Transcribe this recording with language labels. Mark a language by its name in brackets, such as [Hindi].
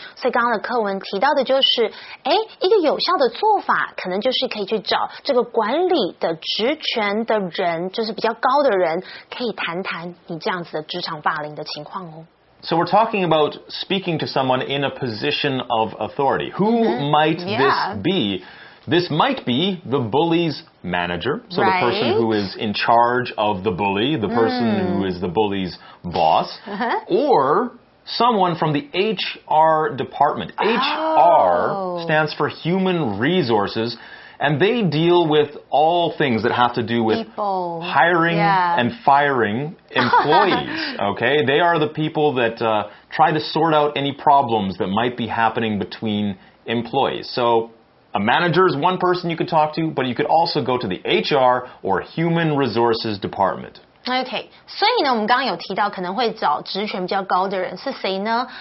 [Chinese] 所以刚刚的课文提到的就是，哎，一个有效的做法，可能就是可以去找这个管理的职权的人，就是比较高的人，可以谈谈你这样子的职场霸凌的情况哦。 [English] So we're talking about speaking to someone in a position of authority. Who might this be? This might be the bully's manager, so the person who is in charge of the bully, the person who is the bully's boss, or someone from the HR department. HR stands for Human Resources, and they deal with all things that have to do with people. Hiring and firing employees. Okay, they are the people that try to sort out any problems that might be happening between employees. So... A manager is one person you could talk to, but you could also go to the HR or Human Resources Department. [Chinese] OK， 所以呢，我们刚刚有提到可能会找职权比较高的人是谁呢？